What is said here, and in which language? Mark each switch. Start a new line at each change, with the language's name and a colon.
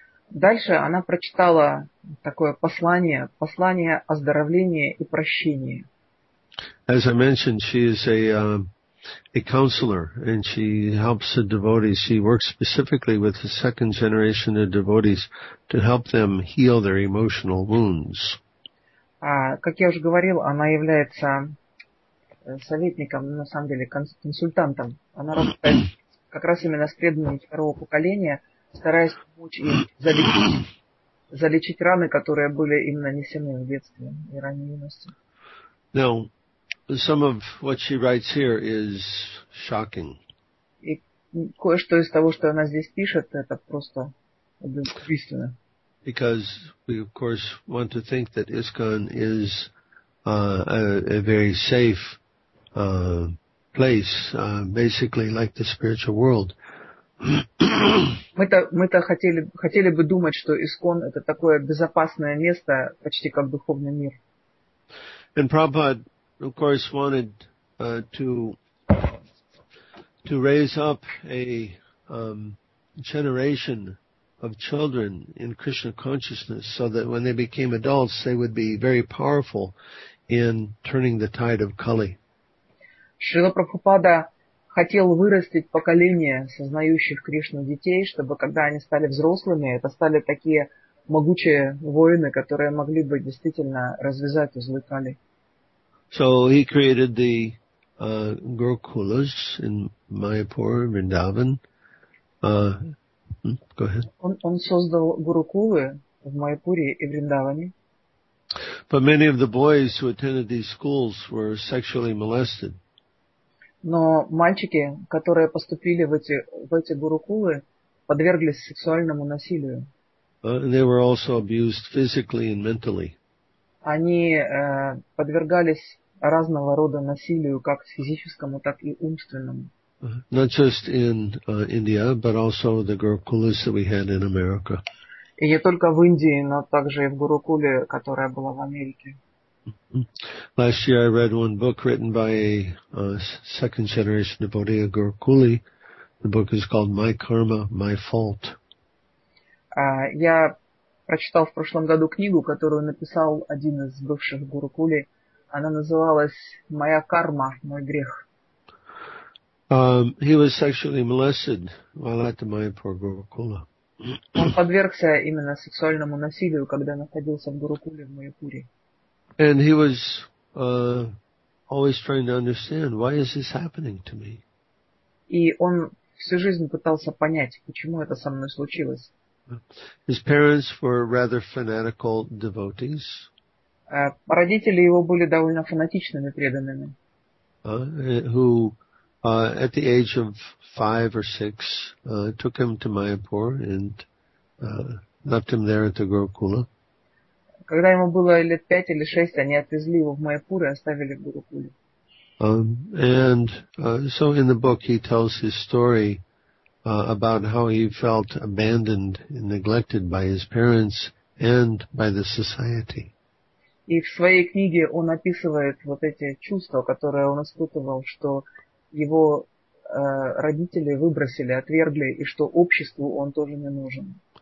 Russian: Дальше она прочитала такое послание оздоровления и прощения.
English: As I mentioned, she is a counselor, and she helps the devotees. She works specifically with the second generation of devotees to help them heal their emotional wounds.
Russian: Как я уже говорил, она является советником, на самом деле консультантом. Она работает как раз именно с преданными второго поколения, стараясь помочь им залечить раны, которые были им нанесены в детстве и ранней юности.
English: Now, some of what she writes here is shocking.
Russian: И кое-что из того, что она здесь пишет, это просто удивительно.
English: Because we, of course, want to think that ISKCON is a very safe place, basically like the spiritual world.
Russian: мы хотели бы думать, что ИСККОН это такое безопасное место, почти как духовный мир.
English: And Prabhupada, of course, wanted to raise up a generation of children in Krishna consciousness, so that when they became adults, they would be very powerful in turning the tide of Kali.
Russian: Шрила Прабхупада хотел вырастить поколение сознающих Кришну детей, чтобы когда они стали взрослыми, это стали такие могучие воины, которые могли бы действительно развязать узлы Кали.
English: So he created the Gurukulas in Mayapur, Vrindavan. Go ahead.
Russian: Он создал Гурукулы в Майпуре и Вриндаване.
English: But many of the boys who attended these schools were sexually molested.
Russian: Но мальчики, которые поступили в эти гурукулы, подверглись сексуальному насилию.
English: They were also abused physically and mentally.
Russian: Они подвергались разного рода насилию, как физическому, так и умственному.
English: Not just in India, but also the gurukulas that we had in America.
Russian: И не только в Индии, но также и в гурукуле, которая была в Америке.
English: Last year I read one book written by a second generation devotee, a Gurukuli. The book is called My Karma, My Fault.
Russian: Я прочитал в прошлом году книгу, которую написал один из бывших Гурукули. Она называлась «Моя карма, мой грех».
English: He was sexually molested while at the Mayapur Gurukula.
Russian: Он подвергся именно сексуальному насилию, когда находился в Гурукуле в Майпуре.
English: And he was always trying to understand, why is this happening to me?
Russian: И он всю жизнь пытался понять, почему это со мной случилось.
English: His parents were rather fanatical devotees.
Russian: Родители его были довольно фанатичными преданными.
English: Who at the age of 5 or 6 took him to Mayapur and left him there at the Gurukula.
Russian: Когда ему было лет 5 или 6, они отвезли его в Майпур и оставили в Гурукуле.
English: So in the book he tells his story about how he felt abandoned and neglected by his parents and by the society.
Russian: И в своей книге он описывает вот эти чувства, которые он испытывал, что его родители выбросили, отвергли, и что обществу он тоже не нужен.